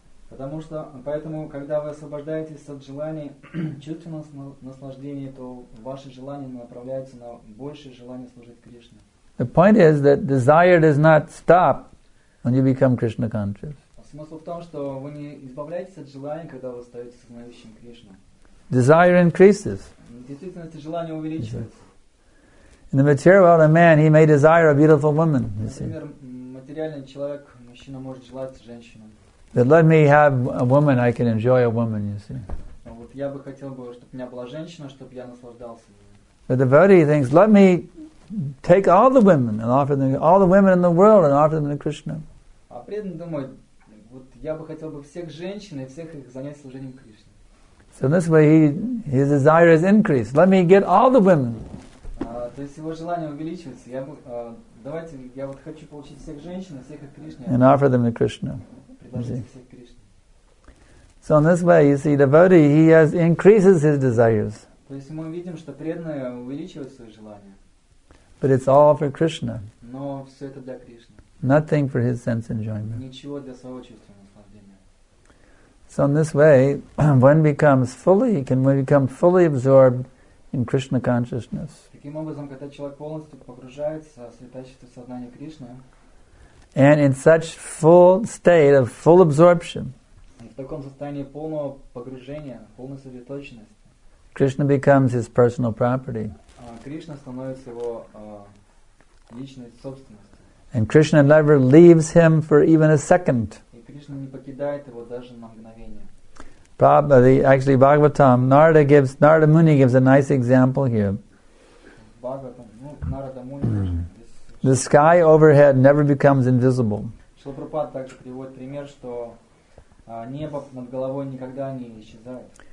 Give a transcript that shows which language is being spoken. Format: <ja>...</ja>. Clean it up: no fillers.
<ru>Потому что, поэтому, когда вы освобождаетесь от желания чувственного наслаждения, то ваши желания направляются на большее желание служить Кришне.</ru> <en>The point is that desire does not stop when you become Krishna conscious.</en> <ru>Смысл в том, что вы не избавляетесь от желания, когда вы становитесь сознающим Кришну.</ru> <en>Desire increases.</en> <ru>Действительно, это желание увеличивается.</ru> <en>In the material world, a man, he may desire a beautiful woman, you see.</en> <ru>Например, материальный человек, мужчина может желать женщину.</ru> <en>That let me have a woman, I can enjoy a woman, you see.</en> <ru>Вот я бы хотел, чтобы у меня была женщина, чтобы я наслаждался.</ru> <en>The devotee thinks, let me take all the women and offer them, all the women in the world and offer them to Krishna.</en> <ru>А преданный думает, вот я бы хотел бы всех женщин и всех их занять служением Кришне.</ru> <en>So in this way, his desire is increased. Let me get all the women.</en> <ru>То есть его желание увеличивается. Я вот хочу получить всех женщин и всех их Кришне.</ru> <en>And offer them to Krishna.</en> <ru>Предложить всех Кришне.</ru> <en>So in this way, you see, devotee, he has increases his desires.</en> <ru>То есть мы видим, что преданный увеличивает свои желания.</ru> <en>But it's all for Krishna.</en> <ru>Но все это для Кришны.</ru> <en>Nothing for his sense enjoyment.</en> <ru>Ничего для своего чувственного наслаждения.</ru> <en>So in this way, one becomes fully absorbed in Krishna consciousness.</en> <ru>Таким образом, когда человек полностью погружается в святая сознание Кришны.</ru> <en>And in such full state of full absorption.</en> <ru>В таком состоянии полного погружения, полной сосредоточенности.</ru> <en>Krishna becomes his personal property.</en> <ru>Кришна становится его личной собственностью.</ru> <en>And Krishna never leaves him for even a second.</en> <ru>И Кришна не покидает его даже на мгновение.</ru> <en>Actually, Bhagavatam, Narada Muni gives a nice example here.</en> <ru>Bhagavatam, Narada Muni.</ru> <en>The sky overhead never becomes invisible.</en> <ru>Шрила Прабхупада также приводит пример, что небо над головой никогда не исчезает.</ru>